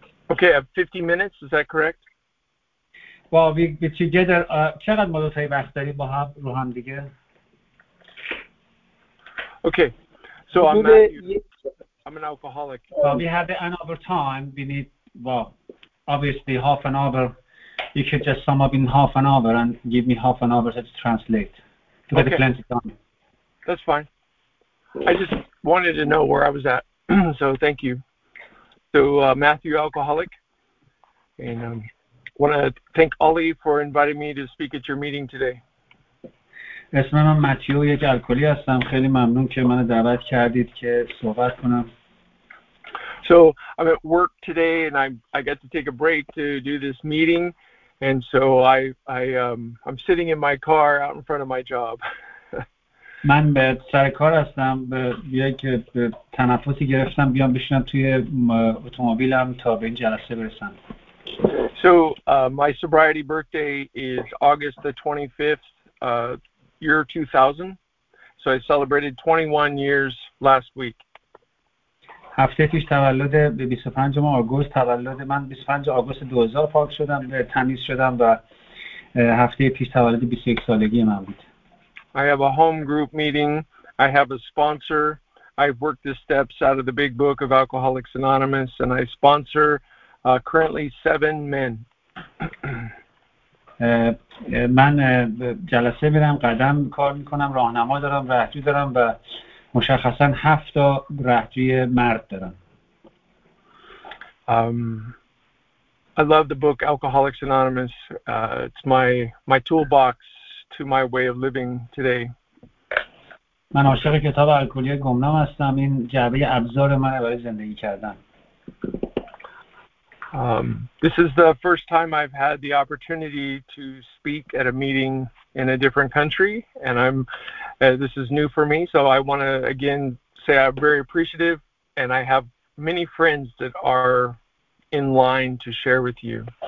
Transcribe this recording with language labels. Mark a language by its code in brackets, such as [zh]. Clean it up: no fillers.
[en] Okay, I have 50 minutes, is that correct? Well, we together, [fa] چقدر مدت های وقت داری با هم رو هم دیگه؟ [en] Okay, so I'm Matthew. I'm an alcoholic. Well, we have an hour time. We need, well, obviously half an hour. You could just sum up in half an hour and give me half an hour to translate. To get plenty of time. That's fine. I just wanted to know where I was at. So thank you. So Matthew, alcoholic. And I want to thank Ali for inviting me to speak at your meeting today. [fa] اسم من ماتیو، یک الکلی هستم. خیلی ممنون که منو دعوت کردید که صحبت کنم. [en] So I'm at work today and I got to take a break to do this meeting and so I'm sitting in my car out in front of my job. [fa] من به سر کار هستم، یک تنفسی گرفتم بیام بشینم توی اتومبیلم تا به این جلسه برسم. [en] So my sobriety birthday is August the 25th. Year 2000. So I celebrated 21 years last week. [fa] هفته پیش تولد 25 آگوست، تولد من 25 آگوست 2000 پاک شدم، تمیز شدم و هفته پیش تولد 21 سالگی من بود. [en] I have a home group meeting. I have a sponsor. I've worked the steps out of the big book of Alcoholics Anonymous and I sponsor currently 7 men. [fa] من جلسه میرم، قدم کار میکنم، راهنما دارم، رهجو دارم و مشخصا 7 رهجوی مرد دارم. [en] I love the book Alcoholics Anonymous. It's my toolbox to my way of living today. [fa] من عاشق کتاب الکلی گمنام هستم. این جعبه ابزار من برای زندگی کردن. [en] This is the first time I've had the opportunity to speak at a meeting in a different country, and this is new for me, so I want to again say I'm very appreciative, and I have many friends that are in line to share with you.